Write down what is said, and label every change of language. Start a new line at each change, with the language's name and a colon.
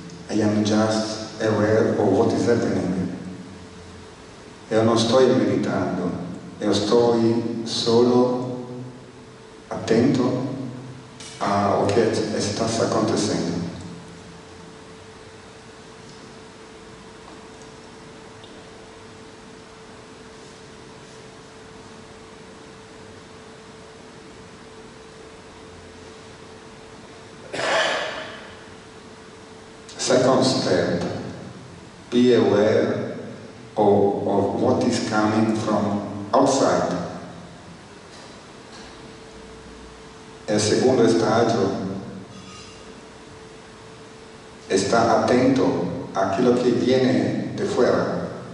English: I am just aware of what is happening.
Spanish: Yo no estoy meditando. Yo estoy solo atento a lo que está aconteciendo.
English: Second step, be aware of what is coming from outside.
Spanish: El segundo estadio, está atento a lo que viene de fuera.